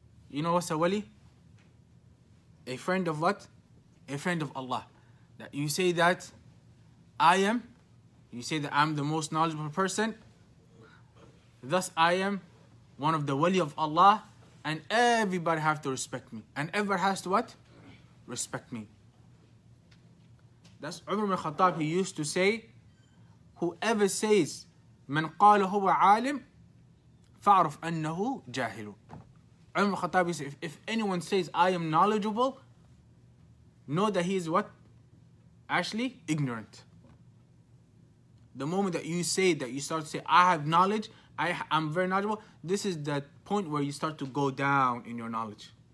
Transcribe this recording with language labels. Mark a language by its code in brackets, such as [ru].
[en] You know what's a wali? A friend of what? A friend of Allah. That you say that I'm the most knowledgeable person. Thus I am one of the wali of Allah. And everybody have to respect me. And everybody has to what? Respect me. That's Umar ibn Khattab. He used to say, whoever says, [ar] من قال هو عالم فعرف أنه جاهل. [en] Umar ibn Khattab said, if anyone says, I am knowledgeable, know that he is what? Actually, ignorant. The moment that you say that, you start to say, I have knowledge, I'm very knowledgeable, this is the point where you start to go down in your knowledge.